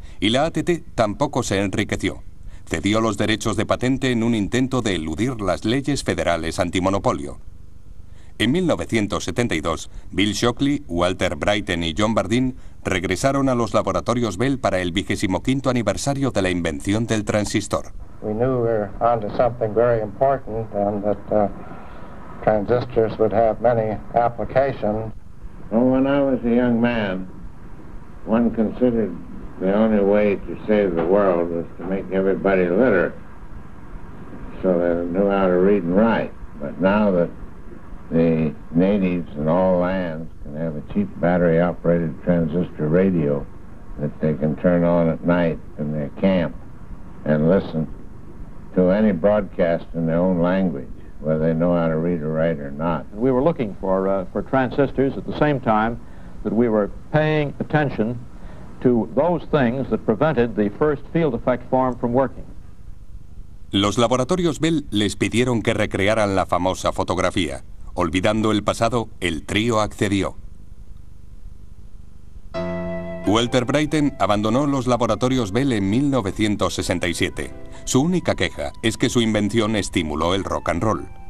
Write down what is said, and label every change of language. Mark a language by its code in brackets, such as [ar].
[es] Y la ATT tampoco se enriqueció. Cedió los derechos de patente en un intento de eludir las leyes federales antimonopolio. En 1972, Bill Shockley, Walter Brighton y John Bardeen regresaron a los laboratorios Bell para el 25º aniversario de la invención del transistor. [en] We knew we were onto something very important, and that transistors would have many applications. Well, when I was a young man, one considered the only way to save the world was to make everybody literate, so they knew how to read and write. But now that the natives in all lands can have a cheap battery-operated transistor radio that they can turn on at night in their camp and listen to any broadcast in their own language, whether they know how to read or write or not. We were looking for transistors at the same time that we were paying attention to those things that prevented the first field effect form from working. [es] Los laboratorios Bell les pidieron que recrearan la famosa fotografía. Olvidando el pasado, el trío accedió. Walter Brighton abandonó los laboratorios Bell en 1967. Su única queja es que su invención estimuló el rock and roll.